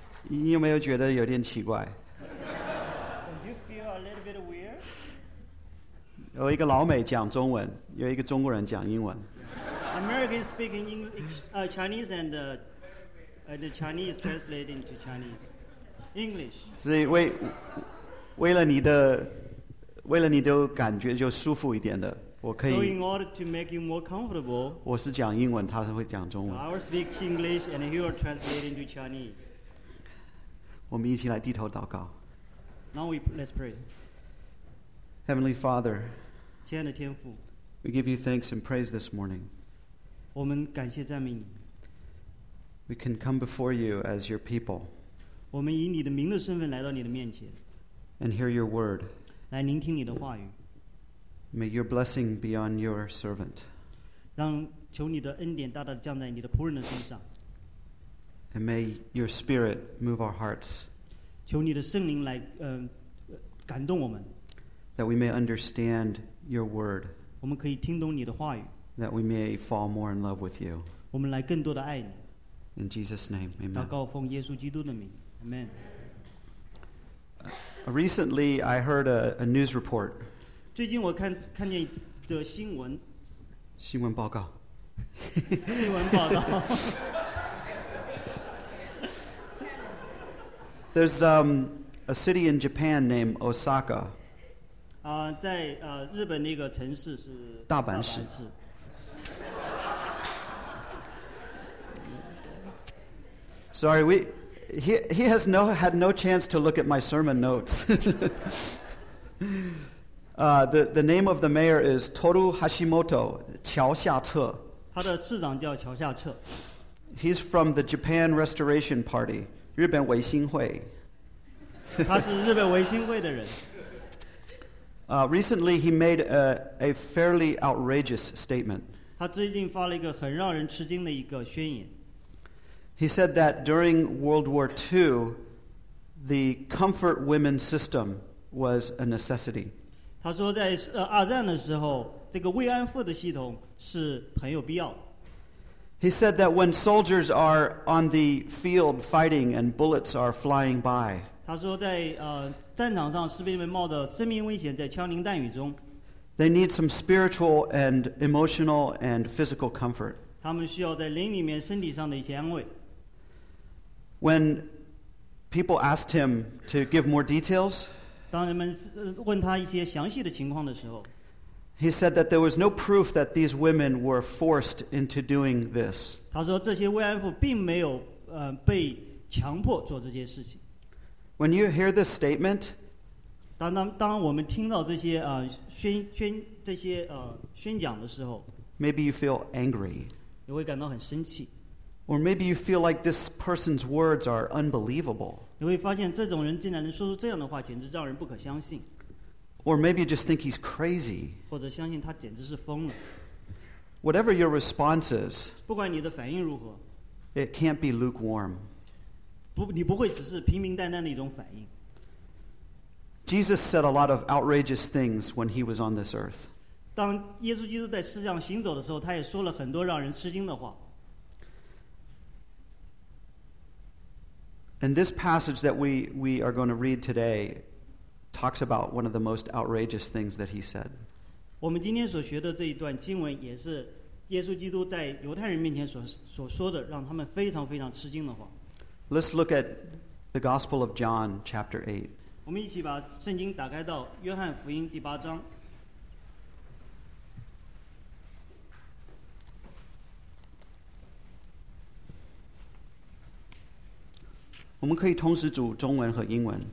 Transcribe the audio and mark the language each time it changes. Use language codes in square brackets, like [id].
[zh] 你有没有觉得有点奇怪？ [en] Did you feel a little bit weird? [zh] 有一个老美讲中文，有一个中国人讲英文。 [en] American speaking English, Chinese and the Chinese translating to Chinese English. [zh] 所以为了你的感觉就舒服一点的，我可以。 [en] So in order to make you more comfortable, [zh] 我是讲英文，他是会讲中文。 [en] So I will speak English and he will translating to Chinese. [zh] 我们一起来低头祷告。 [en] Now let's pray. Heavenly Father, [zh] 亲爱的天父， [en] we give you thanks and praise this morning. [zh] 我们感谢赞美你。 [en] We can come before you as your people. [zh] 我们以你的名的身份来到你的面前。 [en] And hear your word. [zh] 来聆听你的话语。 [en] May your blessing be on your servant. [zh] 让求你的恩典大大降在你的仆人的身上。 [en] And may your spirit move our hearts. [zh] 求你的圣灵来感动我们。 [en] That we may understand your word. [zh] 我们可以听懂你的话语。 [en] That we may fall more in love with you. [zh] 我们来更多的爱你。 [en] In Jesus' name, amen. [zh] 祷告奉耶稣基督的名， amen. [en] Recently, I heard a news report. [zh] 最近我看见的新闻。新闻报告。新闻报告。 [en] There's a city in Japan named Osaka. [zh] 在日本那个城市是大阪市。 [en] Sorry, he has had no chance to look at my sermon notes. the name of the mayor is Toru Hashimoto, 桥下彻。 [zh] 他的市长叫桥下彻。 [en] He's from the Japan Restoration Party, 日本维新会。 [zh] 他是日本维新会的人。 [en] Recently, he made a fairly outrageous statement. [zh] 他最近发了一个很让人吃惊的一个宣言。 [en] He said that during World War II, the comfort women system was a necessity. [zh] 他说在二战的时候，这个慰安妇的系统是很有必要。 [en] He said that when soldiers are on the field fighting and bullets are flying by. [zh] 他说在战场上士兵们冒着生命危险在枪林弹雨中。 [en] They need some spiritual and emotional and physical comfort. [zh] 他们需要在灵里面身体上的一些安慰。 [en] When people asked him to give more details, [zh] 当人们问他一些详细的情况的时候， [en] he said that there was no proof that these women were forced into doing this. [zh] 他说这些慰安妇并没有被强迫做这些事情。 [en] When you hear this statement, [zh] 当我们听到这些这些宣讲的时候， [en] maybe you feel angry. [zh] 你会感到很生气。 [en] Or maybe you feel like this person's words are unbelievable. [zh] 你会发现这种人竟然能说出这样的话，简直让人不可相信。 [en] Or maybe you just think he's crazy. [zh] 或者相信他简直是疯了。 [en] Whatever your response is, [zh] 不管你的反应如何， [en] it can't be lukewarm. [zh] 你不会只是平平淡淡的一种反应。 [en] Jesus said a lot of outrageous things when he was on this earth. [zh] 当耶稣基督在世上行走的时候，他也说了很多让人吃惊的话。 [en] And this passage that we are going to read today talks about one of the most outrageous things that he said. [zh] 我们今天所学的这一段经文也是耶稣基督在犹太人面前所说的让他们非常非常吃惊的话。 [en] Let's look at the Gospel of John, chapter 8. [zh] 我们一起把圣经打开到约翰福音第八章。我们可以同时读中文和英文。